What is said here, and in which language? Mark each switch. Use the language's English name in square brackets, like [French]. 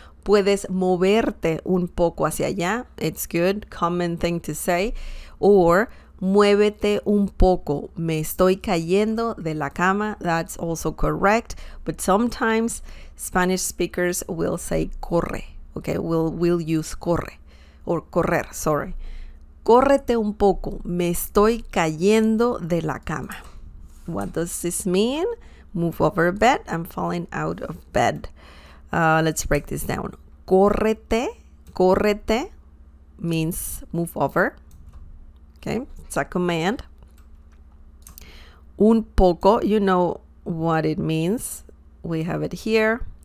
[Spanish] Puedes moverte un poco hacia allá. [English] It's good, common thing to say. [Spanish] Or muévete un poco. Me estoy cayendo de la cama. [English] That's also correct. But sometimes Spanish speakers will say corre, okay? We'll use corre or correr, sorry. [Spanish] Córrete un poco, me estoy cayendo de la cama. [English] What does this mean? Move over a bed, I'm falling out of bed. Let's break this down. Córrete, córrete means move over. Okay, it's a command. Un poco, you know what it means. We have it here.